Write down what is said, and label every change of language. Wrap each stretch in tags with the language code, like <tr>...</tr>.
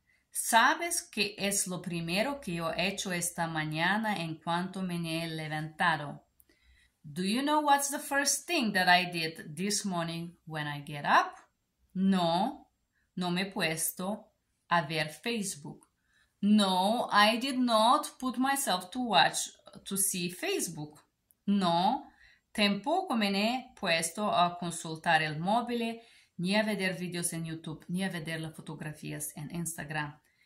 <es>¿Sabes qué es lo primero que yo he hecho esta mañana en cuanto me he levantado?</es> <en>Do you know what's the first thing that I did this morning when I get up?</en> <es>No, no me he puesto a ver Facebook.</es> <en>No, I did not put myself to watch to see Facebook.</en> <es>No, tampoco me he puesto a consultar el móvil, ni a ver videos en YouTube, ni a ver las fotografías en Instagram.</es>